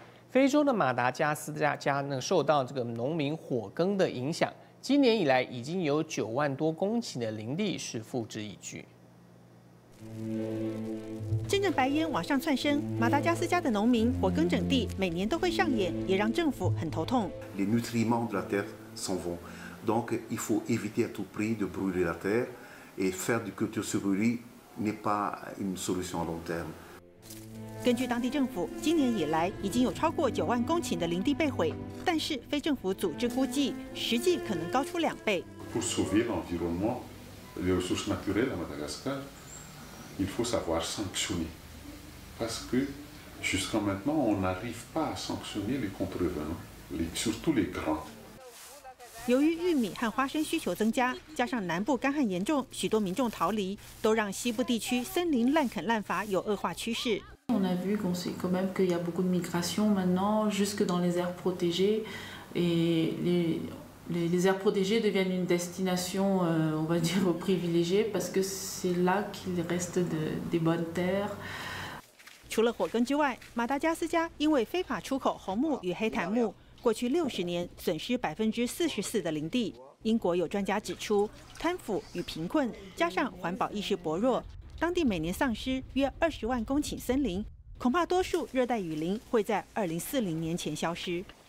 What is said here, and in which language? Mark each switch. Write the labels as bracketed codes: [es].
[zh] 非洲的马达加斯加呢，受到这个农民火耕的影响，今年以来已经有9万多公顷的林地是付之一炬。阵阵白烟往上窜升，马达加斯加的农民火耕整地，每年都会上演，也让政府很头痛。 [fr] Les nutriments de la terre s'en vont. Donc, il faut éviter à tout prix de brûler la terre et faire du culture sur brûlis n'est pas une solution à long terme. [zh] 根据当地政府，今年以来已经有超过9万公顷的林地被毁，但是非政府组织估计，实际可能高出2倍。 [fr] Pour sauver l'environnement, les ressources naturelles à Madagascar, il faut savoir sanctionner, parce que jusqu'à maintenant, on n'arrive pas à sanctionner les contrevenants, surtout les grands. [zh] 由于玉米和花生需求增加，加上南部干旱严重，许多民众逃离，都让西部地区森林滥垦滥伐有恶化趋势。 [fr] On a vu qu'on sait quand même qu'il y a beaucoup de migration maintenant jusque dans les aires protégées et les aires protégées deviennent une destination, on va dire, privilégiée parce que c'est là qu'il reste des bonnes terres. [zh] 除了火耕之外，马达加斯加因为非法出口红木与黑檀木。过去60年，损失44%的林地。英国有专家指出，贪腐与贫困加上环保意识薄弱，当地每年丧失约20万公顷森林，恐怕多数热带雨林会在2040年前消失。